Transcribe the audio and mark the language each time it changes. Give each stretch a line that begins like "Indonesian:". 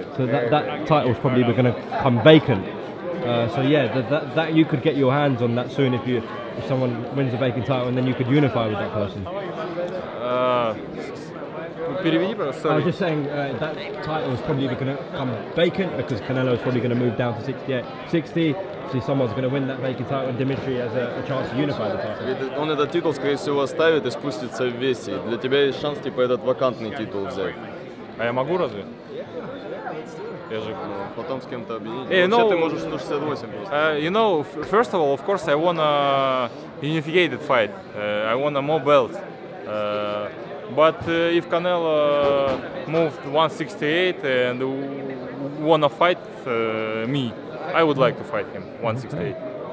English: So that title is probably going to come vacant. So you could get your hands on that soon if someone wins a vacant title, and then you could unify with that person. Sorry. I was just saying that title is probably going to come vacant because Canelo is probably going to move down to 68, 60. See, someone's going to win that vacant title, and Dimitri has a chance to unify the title.
Russian: Он этот титул, скорее всего, оставит и спустится в весе. Для тебя есть шанс типа этот вакантный титул взять. А я могу разве? Я же потом с кем-то объединить. Вообще ты можешь 168.
English: You know, first of all, of course, I want a unified fight. I want a more belt. But if Canelo moved 168 and wanna fight me, I would like to fight him 168.